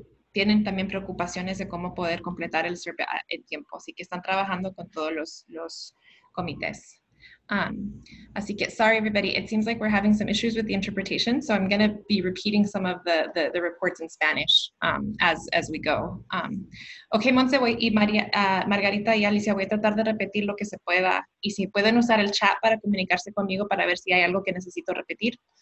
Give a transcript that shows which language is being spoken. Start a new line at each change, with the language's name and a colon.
Spanish: tienen también preocupaciones de cómo poder completar el SERP en tiempo, así que están trabajando con todos los comités. Así que,
English: sorry everybody, it seems like we're having some issues with the interpretation, so I'm going to be repeating some of the reports in Spanish as we go.
Spanish: Okay, Montse y Margarita y Alicia, voy a tratar de repetir lo que se pueda, y si pueden usar el chat para comunicarse conmigo para ver si hay algo que necesito repetir.